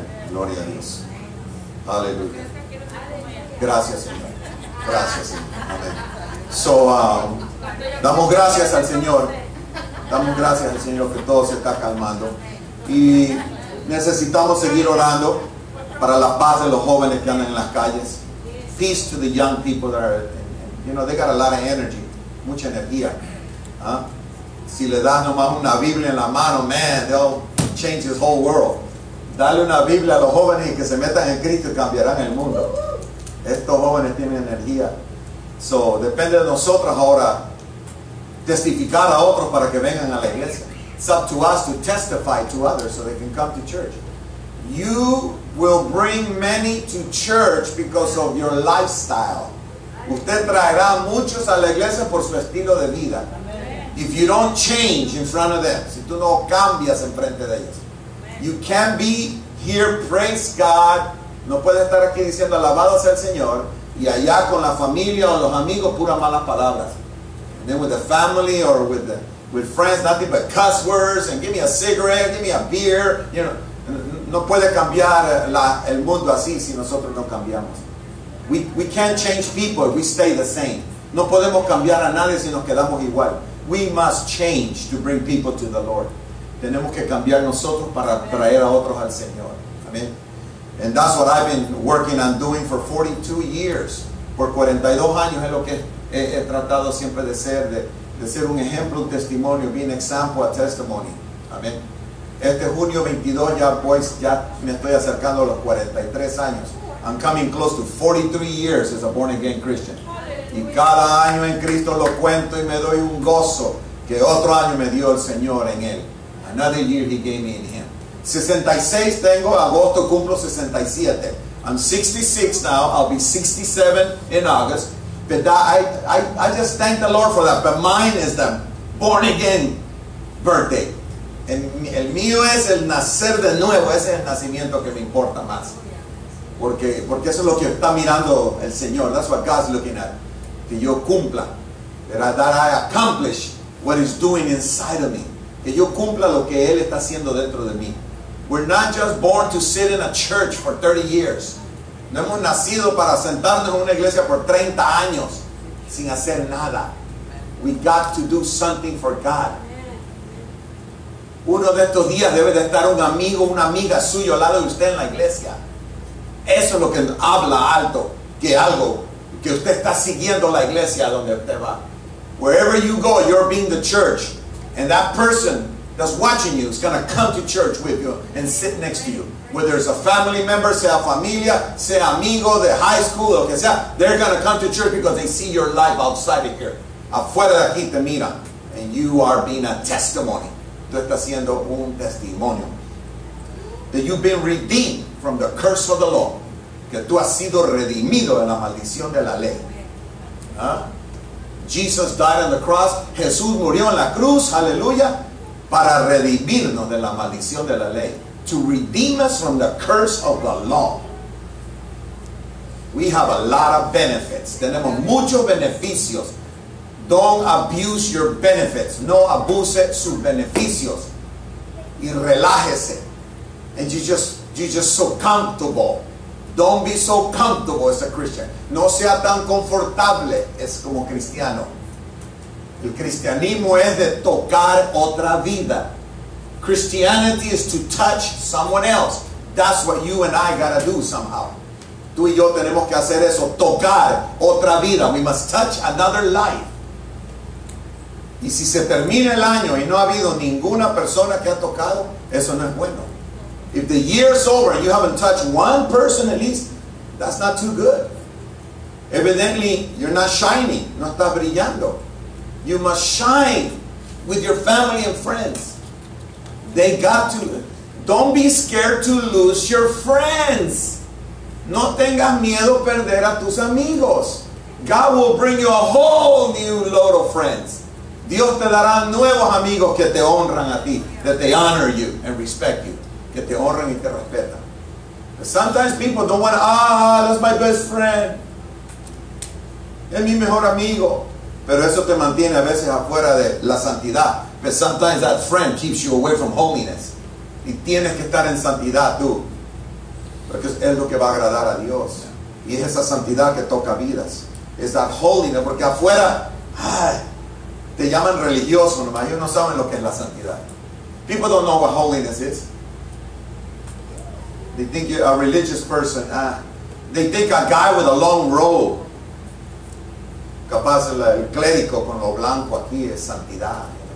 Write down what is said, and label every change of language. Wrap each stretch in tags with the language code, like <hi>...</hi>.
<es>Gloria a Dios. Aleluya. Gracias, Señor. Gracias, Señor. Amén. So, damos gracias al Señor. Damos gracias al Señor que todo se está calmando. Y necesitamos seguir orando para la paz de los jóvenes que andan en las calles.</es> <en>Peace to the young people that are, you know, they got a lot of energy.</en> <es>Mucha energía. Si le das nomás una Biblia en la mano,</es> <en>man, they'll change his whole world.</en> <es>Dale una Biblia a los jóvenes y que se metan en Cristo y cambiarán el mundo. Estos jóvenes tienen energía. So, depende de nosotros ahora testificar a otros para que vengan a la iglesia.</es> <en>It's up to us to testify to others so they can come to church. You will bring many to church because of your lifestyle.</en> <es>Usted traerá muchos a la iglesia por su estilo de vida.</es> <en>If you don't change in front of them,</en> <es>si tú no cambias en frente de ellos,</es> <en>you can't be here, praise God.</en> <es>No puedes estar aquí diciendo alabado sea el Señor y allá con la familia o los amigos puras malas palabras.</es> <en>And then with the family or with friends, nothing but cuss words and give me a cigarette, give me a beer. You know,</en> <es>no puede cambiar el mundo así si nosotros no cambiamos.</es> <en>We can't change people if we stay the same.</en> <es>No podemos cambiar a nadie si nos quedamos igual.</es> <en>We must change to bring people to the Lord.</en> <es>Tenemos que cambiar nosotros para traer a otros al Señor.</es> <en>Amen. And that's what I've been working on doing for 42 years.</en> <es>Por 42 años es lo que he tratado siempre de ser, de ser un ejemplo, un testimonio,</es> <en>be an example, a testimony.</en> <es>Amen. Este junio 22 ya me estoy acercando a los 43 años.</es> <en>I'm coming close to 43 years as a born again Christian.</en> <es>Y cada año en Cristo lo cuento y me doy un gozo que otro año me dio el Señor en Él.</es> <en>Another year He gave me in Him.</en> <es>66 tengo, agosto cumplo 67.</es> <en>I'm 66 now, I'll be 67 in August. But that, I just thank the Lord for that. But mine is the born again birthday.</en> <es>El mío es el nacer de nuevo, ese es el nacimiento que me importa más. Porque eso es lo que está mirando el Señor.</es> <en>That's what God's looking at.</en> <es>Que yo cumpla,</es> <en>that I accomplish what He's doing inside of me.</en> <es>Que yo cumpla lo que Él está haciendo dentro de mí.</es> <en>We're not just born to sit in a church for 30 years.</en> <es>No hemos nacido para sentarnos en una iglesia por 30 años sin hacer nada.</es> <en>We got to do something for God.</en> <es>Uno de estos días debe de estar un amigo, una amiga suyo al lado de usted en la iglesia. Eso es lo que habla alto, que algo, que usted está siguiendo la iglesia donde usted va.</es> <en>Wherever you go, you're being the church. And that person that's watching you is going to come to church with you and sit next to you. Whether it's a family member,</en> <es>sea familia, sea amigo de high school, lo que sea,</es> <en>they're going to come to church because they see your life outside of here.</en> <es>Afuera de aquí te mira.</es> <en>And you are being a testimony.</en> <es>Tú estás siendo un testimonio.</es> <en>That you've been redeemed from the curse of the law.</en> <es>Que tú has sido redimido de la maldición de la ley. ¿Ah?</es> <en>Jesus died on the cross.</en> <es>Jesús murió en la cruz, aleluya, para redimirnos de la maldición de la ley.</es> <en>To redeem us from the curse of the law. We have a lot of benefits.</en> <es>Tenemos muchos beneficios.</es> <en>Don't abuse your benefits.</en> <es>No abuse sus beneficios. Y relájese.</es> <en>And you're just so comfortable. Don't be so comfortable as a Christian.</en> <es>No sea tan confortable es como cristiano. El cristianismo es de tocar otra vida.</es> <en>Christianity is to touch someone else. That's what you and I gotta do somehow.</en> <es>Tú y yo tenemos que hacer eso, tocar otra vida.</es> <en>We must touch another life.</en> <es>Y si se termina el año y no ha habido ninguna persona que ha tocado, eso no es bueno.</es> <en>If the year's over and you haven't touched one person at least, that's not too good. Evidently, you're not shining.</en> <es>No está brillando.</es> <en>You must shine with your family and friends. They got to. Don't be scared to lose your friends.</en> <es>No tengas miedo perder a tus amigos.</es> <en>God will bring you a whole new load of friends.</en> <es>Dios te dará nuevos amigos que te honran a ti,</es> <en>that they honor you and respect you.</en> <es>Que te honren y te respetan.</es> <en>But sometimes people don't want to, that's my best friend.</en> <es>Es mi mejor amigo. Pero eso te mantiene a veces afuera de la santidad.</es> <en>But sometimes that friend keeps you away from holiness.</en> <es>Y tienes que estar en santidad tú. Porque es lo que va a agradar a Dios. Y es esa santidad que toca vidas. Es</es> <en>that holiness.</en> <es>Porque afuera, te llaman religioso. Nomás ellos no saben lo que es la santidad.</es> <en>People don't know what holiness is. They think you're a religious person. They think a guy with a long robe.</en> <es>Capaz el clérigo con lo blanco aquí es santidad.</es>